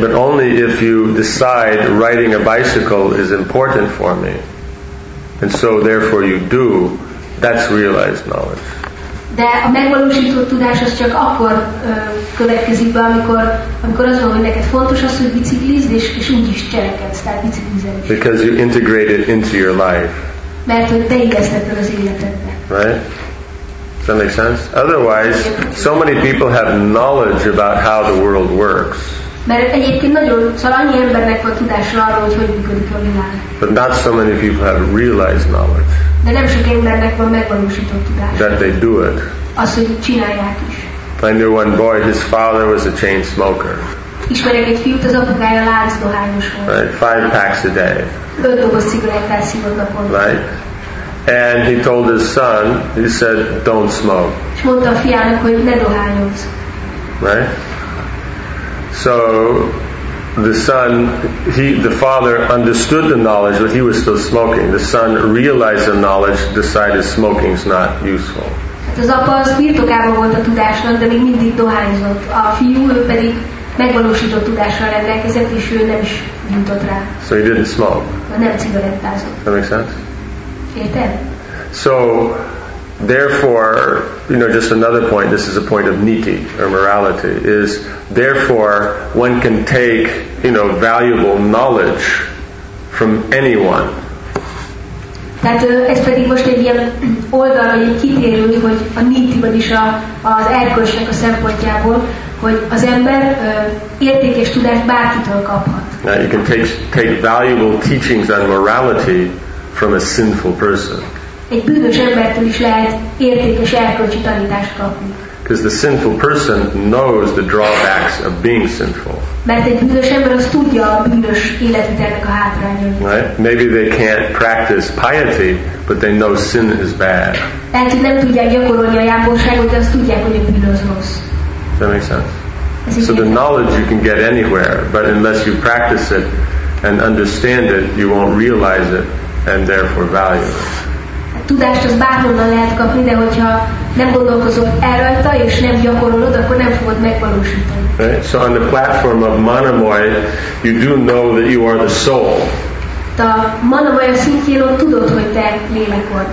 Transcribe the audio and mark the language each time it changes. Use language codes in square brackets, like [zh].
[en] But only if you decide riding a bicycle is important for me, and so therefore you do, that's realized knowledge. [hu] De a megvalósított tudás az csak akkor következik be, amikor az van, hogy neked fontos az, hogy biciklizd, és úgy is cselekedsz, tehát biciklizel is. [en] Because you integrate it into your life. [hu] Mert hogy beilleszted az életedbe. [en] Right? Does that make sense? Otherwise, so many people have knowledge about how the world works. [hu] Mert egyébként nagyon, szóval annyi embernek van tudása arról, hogy hogy működik a világ. [en] But not so many people have realized knowledge. [hu] De nem sok embernek van megvalósított tudás. [en] That they do it. [hu] Az, hogy csinálják is. [en] I knew one boy, his father was a chain smoker. [hu] Ismerek egy fiút, az apukája láncdohányos volt. [en] Right, 5 packs a day. [hu] 5 doboz cigarettát szívott naponta. [en] Right. And he told his son, he said, don't smoke. [hu] És mondta a fiának, hogy ne dohányozz. [en] Right. So the son, the father understood the knowledge, but he was still smoking. The son realized the knowledge, decided smoking's not useful. [hu] Az apa az birtokában volt a tudásnak, de még mindig dohányzott. A fiú ő pedig megvalósított tudással rendelkezett, és ő nem is jutott rá. [en] So he didn't smoke. [hu] Nem cigarettázott. [en] That makes sense? [hu] Érted? [en] So therefore, you know, just another point, this is a point of niti, or morality, is therefore one can take, you know, valuable knowledge from anyone. [hu] Tehát ez pedig most egy ilyen oldal, vagy egy kitérő, hogy a niti, vagyis az erkölcsnek a szempontjából, hogy az ember értékes tudást bárkitől kaphat. [en] Now you can take valuable teachings on morality from a sinful person. [hu] Egy bűnös embertől is lehet értékes erkölcsi tanítást kapni. [en] Because the sinful person knows the drawbacks of being sinful. [hu] Mert egy bűnös ember az tudja a bűnös életvitelnek a hátrányait. [en] Right? Maybe they can't practice piety, but they know sin is bad. [hu] Lehet, hogy nem tudják gyakorolni a jávolságot, de azt tudják, hogy a bűn az rossz. [en] Does that make sense? So the knowledge you can get anywhere, but unless you practice it and understand it, you won't realize it and therefore value it. [hu] Tudást az bárhonnan lehet kapni, de hogyha nem gondolkozol el rajta, és nem gyakorolod, akkor nem fogod megvalósítani. [en] Right? So on the platform of Manamoy, you do know that you are the soul. [hu] A Manamoy szintjén ott tudod, hogy te lélek vagy.